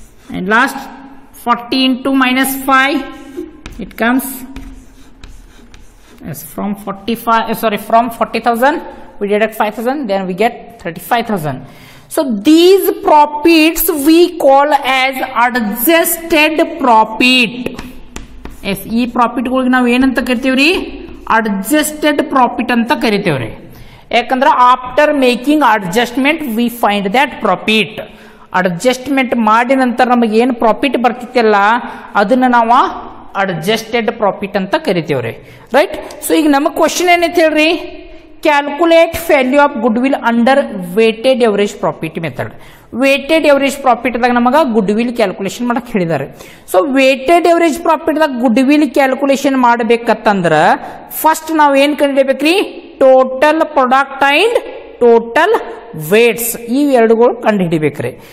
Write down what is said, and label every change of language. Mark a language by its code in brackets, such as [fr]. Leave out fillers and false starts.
[en] And last, 40 into minus 5, it comes as from 40,000, we deduct 5,000, then we get 35,000. So these profits we call as adjusted profit. [kn] Yes, e profit ಗಳಿಗೆ ನಾವು ಏನಂತ ಕರಿತೀವ್ರಿ, adjusted profit ಅಂತ ಕರಿತೀವ್ರಿ. [en] ಯಾಕಂದ್ರೆ after making adjustment we find that profit. [kn] Adjustment ಮಾಡಿದ ನಂತರ ನಮಗೆ ಏನು profit ಬರ್ತಿತ್ತಲ್ಲ ಅದನ್ನ ನಾವು ಅಡ್ಜಸ್ಟೆಡ್ ಪ್ರಾಫಿಟ್ ಅಂತ ಕರಿತೀವ್ರಿ, ರೈಟ್. ಸೊ ಈಗ ನಮ್ಮ ಕ್ವಶನ್ ಏನೈತೆ ಹೇಳ್ರಿ, [en] calculate value of goodwill under weighted average profit method. [kn] Weighted average profit ದಾಗ ನಮಗೆ goodwill calculation ಮಾಡಕ ಹೇಳಿದ್ದಾರೆ. So weighted average profit ದಾಗ goodwill calculation ಮಾಡಬೇಕಂದ್ರೆ first ನಾವು ಏನು ಕಂಡುಹಿಡಿಯಬೇಕು, [en] total product and total weights [kn] ಈ ಎರಡುಗಳು ಕಂಡುಹಿಡಿಯಬೇಕು.